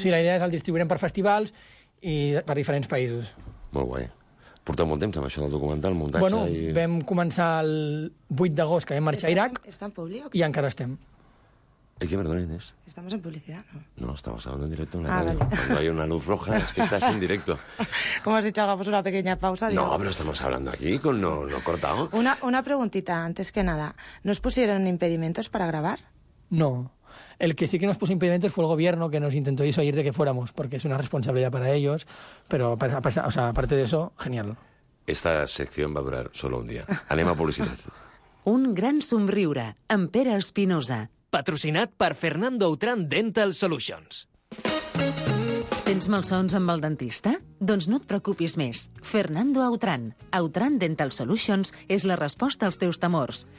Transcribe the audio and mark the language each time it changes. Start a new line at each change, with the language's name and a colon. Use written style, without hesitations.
Catalan: Sí, la idea és el distribuirem per festivals i per diferents països. Molt guai. Porteu molt temps amb això del documental, muntatge bueno, i... Bueno, vam començar el 8 d'agost, que vam marxar a Iraq. Està en públic? I encara estem.
Spanish: ¿Y qué, perdón, Inés? Estamos en publicidad, ¿no? No, estamos hablando en directo en la radio. Cuando hay una luz roja, es que estás en directo. Como has dicho, hagamos una pequeña pausa. Digamos. No, pero estamos hablando aquí, con lo cortado. Una preguntita, antes que nada. ¿Nos pusieron impedimentos para grabar? No. El que sí que nos puso impedimentos fue el gobierno, que nos intentó disuadir de que fuéramos, porque es una responsabilidad para ellos. Pero o sea, aparte de eso, genial. Esta sección va a durar solo un día.
Catalan: Anem a publicidad. Un gran somriure, amb Pere Espinosa. Patrocinat per Fernando Outram Dental Solutions. Tens malsons amb el dentista? Doncs no et preocupis més. Fernando Outram. Outram Dental Solutions és la resposta als teus temors.